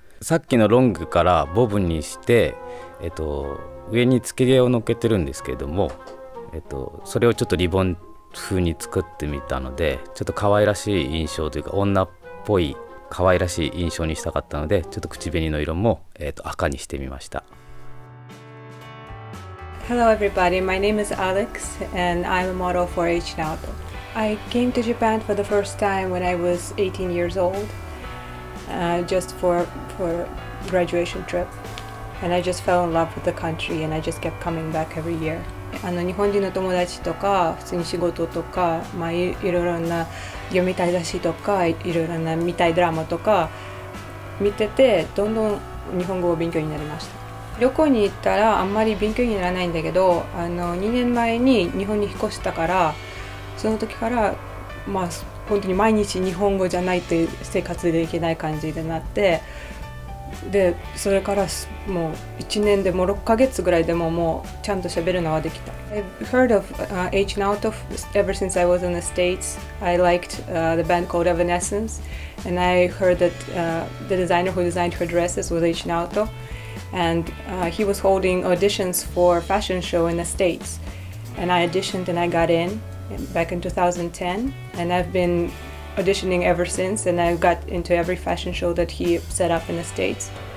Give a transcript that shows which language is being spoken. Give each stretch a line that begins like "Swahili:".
Japanese: さっきのロングからボブにして、上につけ毛をのっけてるんですけれども、それをちょっとリボン風に作ってみたので、ちょっと可愛らしい印象というか女っぽい可愛らしい印象にしたかったので、ちょっと口紅の色も、赤にしてみました。
English: Hello everybody, my name is Alex and I'm a model for H Naoto. I came to Japan for the first time when I was 18 years old, just for graduation trip. And I just fell in love with the country and I just kept coming back every year.
Japanese: 日本人の友達とか普通に仕事とか、まあ、いろいろな読みたい雑誌とかいろいろな見たいドラマとか見てて、どんどん日本語を勉強になりました。旅行に行ったらあんまり勉強にならないんだけど、2年前に日本に引っ越したから、その時からまあ本当に毎日日本語じゃないって生活できない感じになって、でそれからもう1年でも6ヶ月ぐらいでももうちゃんと喋るのはできた。
English: I've heard of H Naoto ever since I was in the States. I liked the band called Evanescence, and I heard that the designer who designed her dresses was H Naoto, and he was holding auditions for a fashion show in the States, and I auditioned and I got in back in 2010, and I've beenauditioning ever since, and I got into every fashion show that he set up in the States.